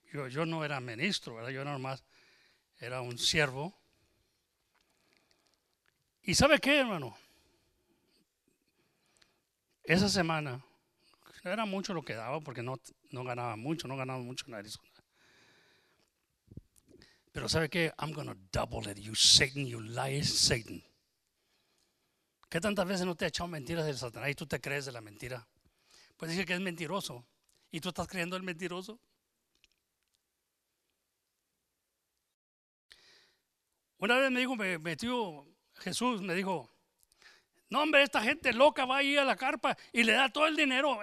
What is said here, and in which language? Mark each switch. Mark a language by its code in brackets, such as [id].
[es] Yo no era ministro, ¿verdad? Yo nomás era un siervo. ¿Y sabe qué, hermano? Esa semana, no era mucho lo que daba porque no ganaba mucho en Arizona. Pero ¿sabe qué? [en] I'm going to double it, you Satan, you lying Satan. [es] ¿Qué tantas veces no te ha echado mentiras del Satanás y tú te crees de la mentira? Pues dice que es mentiroso y tú estás creyendo el mentiroso. Una vez me dijo, me dijo Jesús, no hombre, esta gente loca va ahí a la carpa y le da todo el dinero.